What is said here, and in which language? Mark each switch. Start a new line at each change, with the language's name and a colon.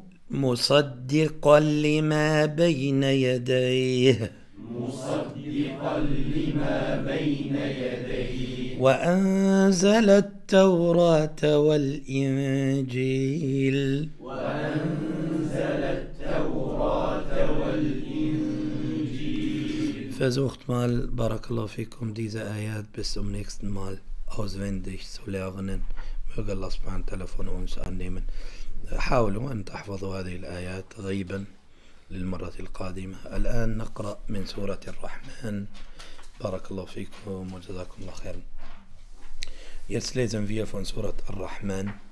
Arabic: مصدقا لما بين يديه مصدقا لما بين يديه وأنزل التوراة والإنجيل وأنزل التوراة والإنجيل
German: Versucht mal, Barakallahu fikum, diese Ayat bis zum nächsten Mal auswendig zu lernen. Möge Allah subhanahu wa ta'ala von uns annehmen.
Arabic: حاولوا أن تحفظوا هذه الآيات غيبا للمرة القادمة. الآن نقرأ من سورة الرحمن. بارك الله فيكم وجزاكم الله خيرا.
German: Jetzt lesen wir von سورة الرحمن.